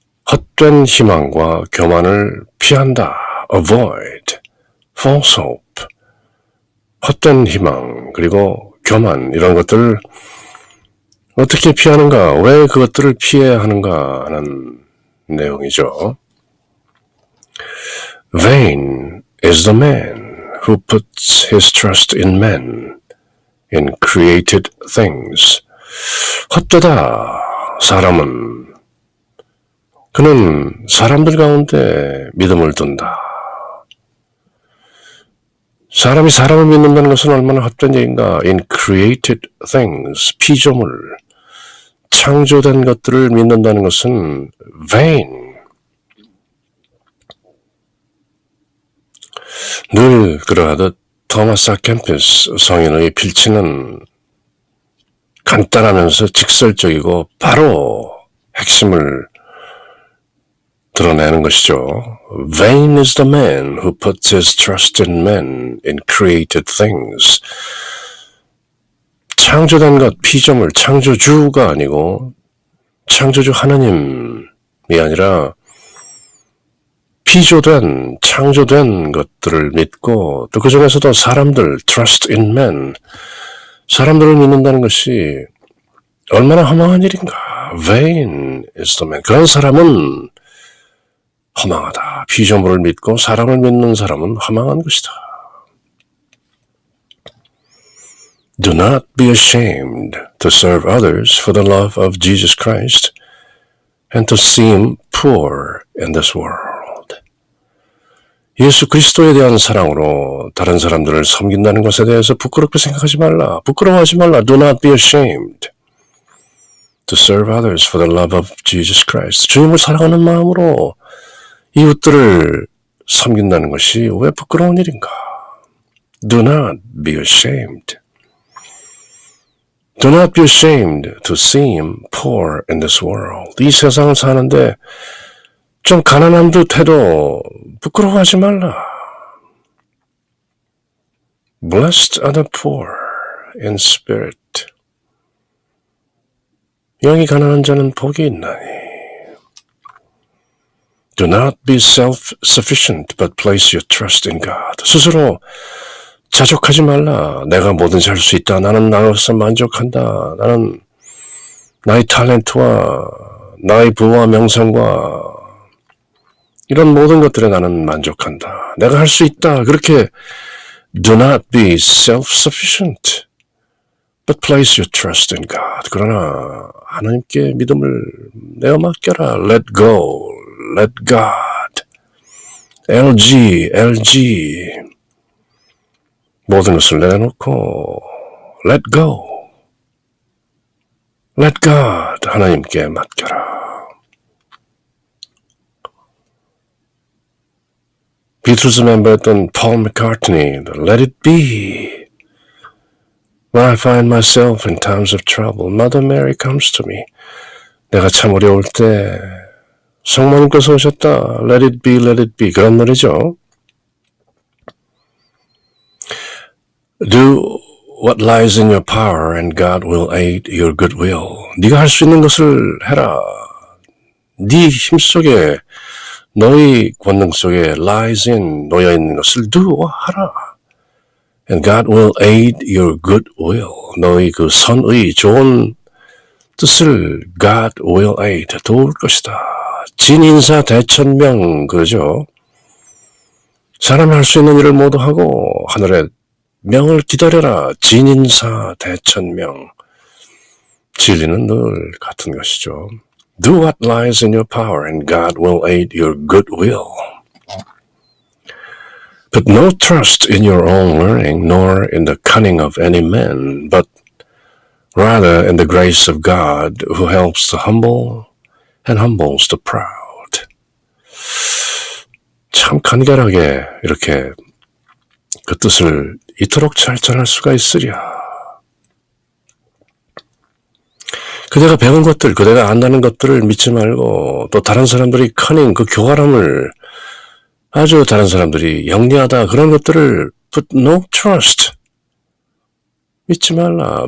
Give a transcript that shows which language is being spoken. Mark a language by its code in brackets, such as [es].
[ko] 헛된 희망과 교만을 피한다. [en] avoid false hope. [ko] 헛된 희망, 그리고 교만, 이런 것들 어떻게 피하는가, 왜 그것들을 피해야 하는가 하는 내용이죠. [en] Vain is the man who puts his trust in men, in created things. [ko] 헛되다, 사람은. 그는 사람들 가운데 믿음을 둔다. 사람이 사람을 믿는다는 것은 얼마나 헛된 얘기인가. [en] In created things, [ko] 피조물, 창조된 것들을 믿는다는 것은 [en] vain. [ko] 늘 그러하듯 토마스 아캠피스 성인의 필치는 간단하면서 직설적이고 바로 핵심을 드러내는 것이죠. [en] Vain is the man who puts his trust in men, in created things. [ko] 창조된 것, 피조물, 창조주가 아니고 창조주 하나님이 아니라 피조된, 창조된 것들을 믿고 또 그 중에서도 사람들, [en] trust in men, [ko] 사람들을 믿는다는 것이 얼마나 허망한 일인가. [en] Vain is the man. [ko] 그런 사람은 허망하다. 피조물을 믿고 사람을 믿는 사람은 허망한 것이다. [en] Do not be ashamed to serve others for the love of Jesus Christ and to seem poor in this world. [ko] 예수 그리스도에 대한 사랑으로 다른 사람들을 섬긴다는 것에 대해서 부끄럽게 생각하지 말라. 부끄러워하지 말라. [en] Do not be ashamed to serve others for the love of Jesus Christ. [ko] 주님을 사랑하는 마음으로 이웃들을 섬긴다는 것이 왜 부끄러운 일인가? [en] Do not be ashamed. Do not be ashamed to seem poor in this world. [ko] 이 세상을 사는데 좀 가난한 듯 해도 부끄러워하지 말라. [en] Blessed are the poor in spirit. [ko] 영이 가난한 자는 복이 있나니. [en] Do not be self-sufficient, but place your trust in God. [ko] 스스로 자족하지 말라. 내가 뭐든지 할 수 있다. 나는 나로서 만족한다. 나는 나의 탤런트와 나의 부와 명성과 이런 모든 것들에 나는 만족한다. 내가 할 수 있다. 그렇게 [en] Do not be self-sufficient, but place your trust in God. [ko] 그러나 하나님께 믿음을 내어 맡겨라. [en] Let go. Let God. LG. LG. [ko] 모든 것을 내놓고 [en] Let go. Let God. [ko] 하나님께 맡겨라. 비틀즈 멤버였던 폴 맥카트니, Let it be. [en] When I find myself in times of trouble, Mother Mary comes to me. [ko] 내가 참 어려울 때 성모님께서 오셨다. [en] Let it be, let it be. [ko] 그런 말이죠. [en] Do what lies in your power and God will aid your good will. [ko] 네가 할 수 있는 것을 해라. 네 힘 속에 너의 권능 속에 [en] lies in, [ko] 놓여있는 것을 [en] do, [ko] 하라. [en] And God will aid your good will. [ko] 너의 그 선의 좋은 뜻을 [en] God will aid. [ko] 도울 것이다. 진인사 대천명. 그죠? 사람이 할 수 있는 일을 모두 하고 하늘의 명을 기다려라. 진인사 대천명. 진리는 늘 같은 것이죠. [en] Do what lies in your power and God will aid your good will. Put no trust in your own learning, nor in the cunning of any man, but rather in the grace of God who helps the humble and humbles the proud. [ko] 참 간결하게 이렇게 그 뜻을 이토록 잘 전할 수가 있으랴. 그대가 배운 것들, 그대가 안다는 것들을 믿지 말고 또 다른 사람들이 커닝, 그 교활함을 아주 다른 사람들이 영리하다 그런 것들을 [en] put no trust [ko] 믿지 말라.